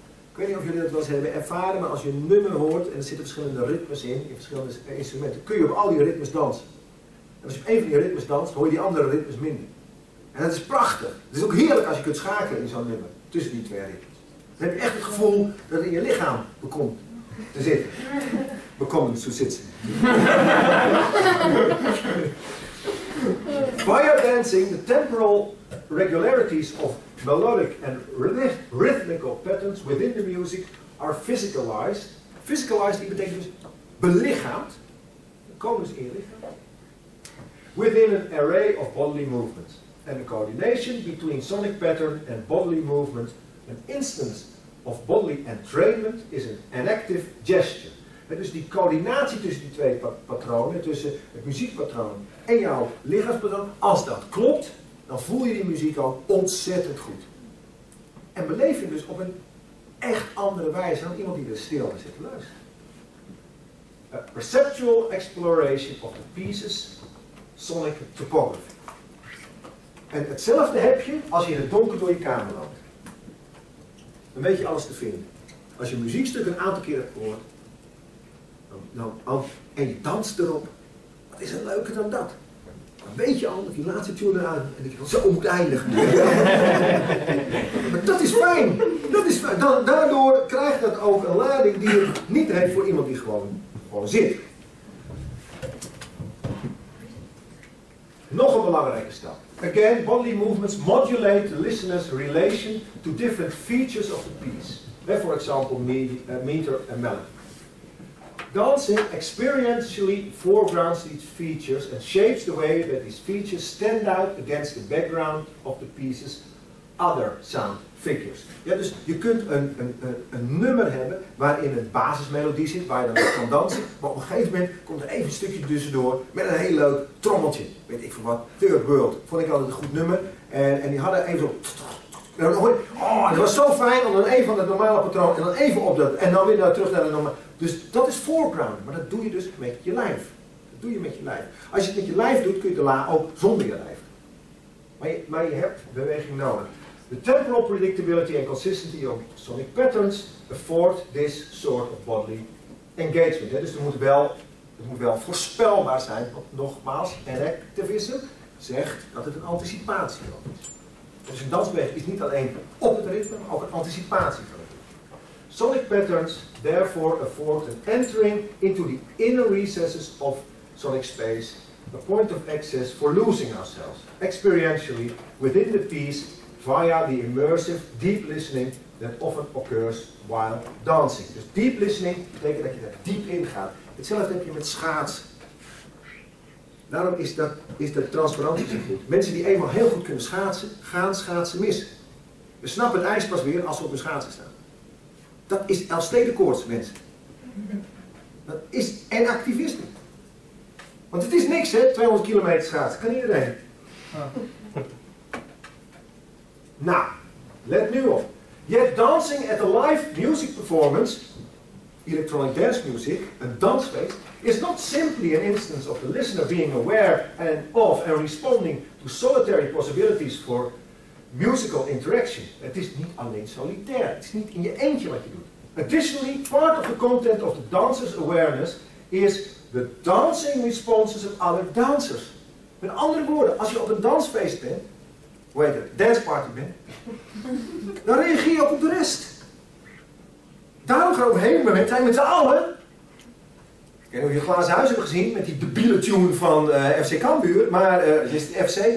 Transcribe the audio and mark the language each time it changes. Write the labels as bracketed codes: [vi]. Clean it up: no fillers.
[nl] Ik weet niet of jullie dat wel eens hebben ervaren, maar als je een nummer hoort en er zitten verschillende ritmes in verschillende instrumenten, kun je op al die ritmes dansen. En als je op één van die ritmes danst, hoor je die andere ritmes minder. En dat is prachtig. Het is ook heerlijk als je kunt schakelen in zo'n nummer tussen die twee ritmes. Dan heb je echt het gevoel dat het in je lichaam bekomt te zitten. Bekomen zo zitten. [en] Fire dancing, the temporal regularities of melodic and rhythmical patterns within the music are physicalized. [nl] Physicalized, die betekent dus belichaamd. Komen ze in je lichaam. [en] Within an array of bodily movements. And the coordination between sonic pattern and bodily movement, an instance of bodily entrainment, is an active gesture. [nl] En dus die coördinatie tussen die twee patronen, tussen het muziekpatroon en jouw lichaamspatroon, als dat klopt, dan voel je die muziek al ontzettend goed. En beleef je dus op een echt andere wijze dan iemand die er stil zit te luisteren. [en] A perceptual exploration of the pieces, sonic topography. [nl] En hetzelfde heb je als je in het donker door je kamer loopt. Dan weet je alles te vinden. Als je een muziekstuk een aantal keer hebt gehoord, en je danst erop, wat is er leuker dan dat? Dan weet je al dat die laatste tune eraan en dat je van zo moet eindigen. Maar dat is fijn. Daardoor krijgt dat ook een lading die je niet heeft voor iemand die gewoon zit. Nog een belangrijke stap. [en] Again, bodily movements modulate the listener's relation to different features of the piece. Like for example, meter and melody. Dancing experientially foregrounds these features and shapes the way that these features stand out against the background of the piece's other sound figures. [nl] Ja, dus je kunt een nummer hebben waarin een basismelodie zit, waar je dan kan dansen, maar op een gegeven moment komt er even een stukje tussendoor met een heel leuk trommeltje. Weet ik van wat, Third World, vond ik altijd een goed nummer. En die hadden even zo... Oh, dat was zo fijn om dan even van het normale patroon en dan even op dat en dan weer naar terug naar de normale. Dus dat is foreground, maar dat doe je dus met je lijf. Dat doe je met je lijf. Als je het met je lijf doet, kun je de la ook zonder je lijf. Maar je hebt beweging nodig. [en] The temporal predictability and consistency of sonic patterns afford this sort of bodily engagement. [nl] Hè? Dus het moet wel voorspelbaar zijn. Want nogmaals, activism zegt dat het een anticipatie is. Dus een dansbeweging is niet alleen op het ritme, maar ook een anticipatie van het ritme. [en] Sonic patterns therefore afford an entering into the inner recesses of sonic space, a point of access for losing ourselves experientially within the piece via the immersive deep listening that often occurs while dancing. [nl] Dus deep listening betekent dat je daar diep in gaat. Hetzelfde heb je met schaatsen. Daarom is dat transparantie zo goed. Mensen die eenmaal heel goed kunnen schaatsen, gaan schaatsen mis. We snappen het ijs pas weer als we op hun schaatsen staan. Dat is Elfstedentocht, mensen. Dat is en activisme. Want het is niks, hè, 200 kilometer schaatsen. Kan iedereen. Ah. Nou, let nu op. [en] Yet dancing at a live music performance, electronic dance music, [nl] een dansfeest, [en] is not simply an instance of the listener being aware and of and responding to solitary possibilities for musical interaction. [nl] Het is niet alleen solitair. Het is niet in je eentje wat je doet. [en] Additionally, part of the content of the dancer's awareness is the dancing responses of other dancers. [nl] Met andere woorden, als je op een dansfeest bent, hoe heet het, [en] dance party [nl] bent, dan reageer je ook op de rest. Daarom gaan we overheen, maar met zijn met z'n allen. Ik weet niet of je glazen huis hebt gezien met die debiele tune van FC Cambuur, maar is het FC?